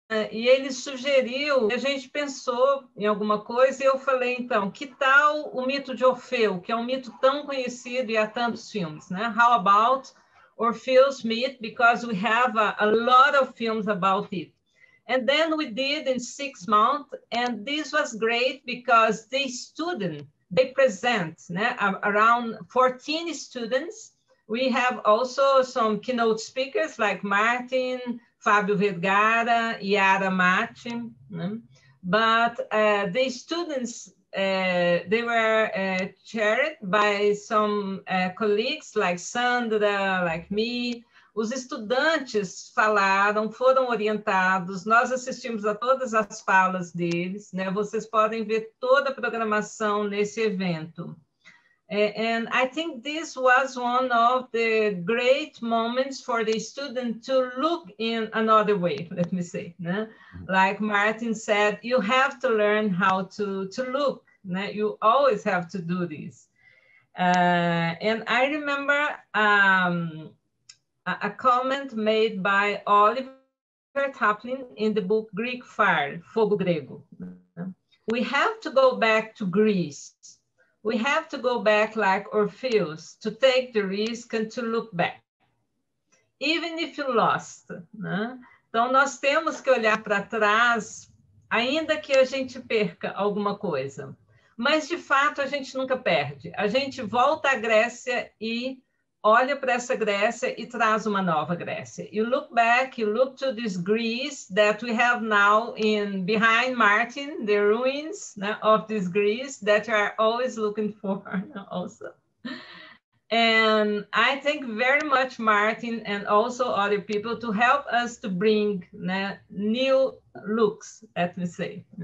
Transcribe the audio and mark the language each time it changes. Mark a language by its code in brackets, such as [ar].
[pt] E ele sugeriu, a gente pensou em alguma coisa, e eu falei, então, que tal o mito de Orfeu, que é um mito tão conhecido e há tantos filmes, né? [en] How about Orfeu's myth, because we have a lot of films about it. And then we did in 6 months, and this was great, because the student, they present, né? Around 14 students. We have also some keynote speakers like Martin, Fabio Vergara, Yara Martin. But the students they were chaired by some colleagues like Sandra, like me. [pt] Os estudantes falaram, foram orientados, nós assistimos a todas as falas deles, né? Vocês podem ver toda a programação nesse evento. [en] And I think this was one of the great moments for the student to look in another way, let me say. Né? Like Martin said, you have to learn how to look, né? You always have to do this. And I remember a comment made by Oliver Taplin in the book Greek Fire, Fogo Grego. We have to go back to Greece. We have to go back like Orpheus to take the risk and to look back. Even if you lost. Né? [pt] Então, nós temos que olhar para trás, ainda que a gente perca alguma coisa. Mas, de fato, a gente nunca perde. A gente volta à Grécia e olha para essa Grécia e traz uma nova Grécia. [en] You look back, you look to this Greece that we have now in behind Martin, the ruins, né, of this Greece that you are always looking for also. And I thank very much Martin and also other people to help us to bring, né, new looks, let me say.